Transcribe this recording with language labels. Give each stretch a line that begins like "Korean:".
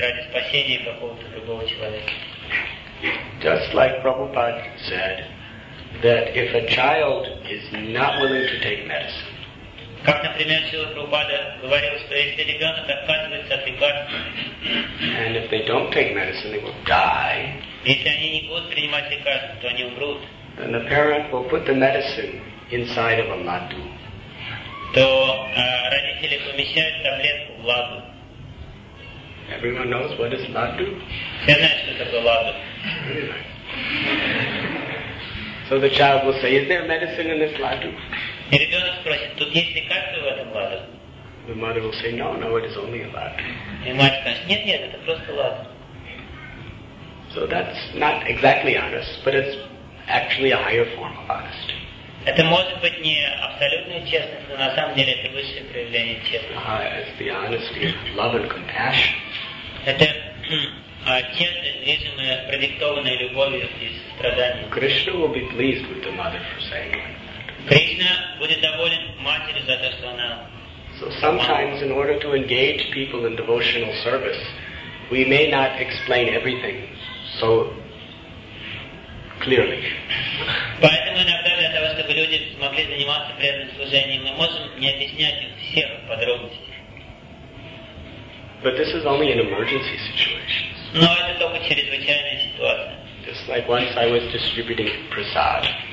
Russian: спасение какого-то другого человека.
English: Just like Prabhupada said, that if a child is not willing to take medicine,
Russian: как, например, Шрила Прабхупада говорил, что если ребенок отказывается от лекарств,
English: and if they don't take medicine, they will die,
Russian: если они не будут принимать лекарства, то они умрут,
English: then the parent will put the medicine inside of a ладу.
Russian: То родители помещают таблетку в ладу.
English: Everyone knows what is ладу?
Russian: Все знают, что такое ладу.
English: So the child will say, is there medicine in this ладу?
Russian: И ребенок спросит, тут есть лекарство в этом ладу?
English: The mother will say, no, it is only a ладу.
Russian: И мать скажет, нет, это просто ладу.
English: So that's not exactly honest, but it's actually a higher form of honesty.
Russian: Это может быть не абсолютная честность, но на самом деле это высшее проявление честности.
English: It's the honesty of love and compassion.
Russian: Это честность, движимая, продиктованная любовью и страданием.
English: Krishna will be pleased with the mother for saying that.
Russian: Кришна будет доволен матерью за то, что она.
English: So sometimes, in order to engage people in devotional service, we may not explain everything so clearly.
Russian: Поэтому иногда для того, чтобы люди могли заниматься преданным служением, мы можем не объяснять им всех подробностей.
English: But this is only in emergency situations.
Russian: Но это только чрезвычайная ситуация.
English: Just like once I was distributing prasad.